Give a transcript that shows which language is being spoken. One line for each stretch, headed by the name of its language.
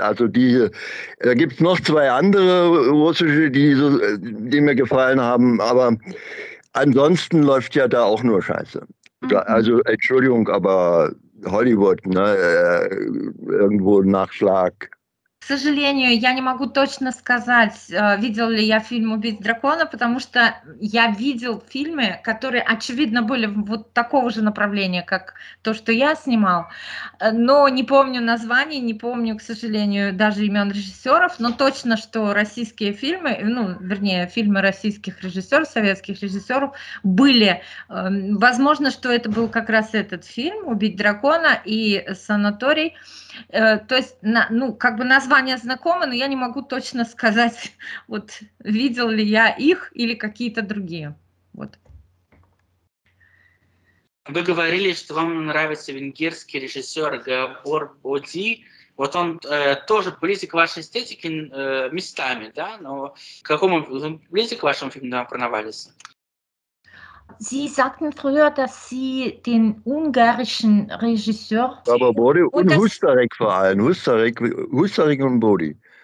German: Also diese da gibt's noch zwei andere russische, die mir gefallen haben, aber ansonsten läuft ja da auch nur Scheiße. Also Entschuldigung, aber Hollywood, ne, irgendwo Nachschlag.
Russian: К сожалению, я не могу точно сказать, видел ли я фильм «Убить дракона», потому что я видел фильмы, которые, очевидно, были вот такого же направления, как то, что я снимал, но не помню названий, не помню, к сожалению, даже имен режиссеров, но точно, что российские фильмы, ну, вернее, фильмы российских режиссеров, советских режиссеров были. Возможно, что это был как раз этот фильм «Убить дракона» и «Санаторий». То есть, ну, как бы названия знакомы, но я не могу точно сказать, вот, видел ли я их или какие-то другие. Вот. Вы говорили, что вам нравится венгерский режиссер Габор Боди. Вот он тоже близок к вашей эстетике местами, да? Но к какому он близок к вашему фильму про Навалиса?
German: Sie sagten früher, dass Sie den ungarischen Regisseur... Aber Bodi und Husarek vor allem, Husarek und Bodi.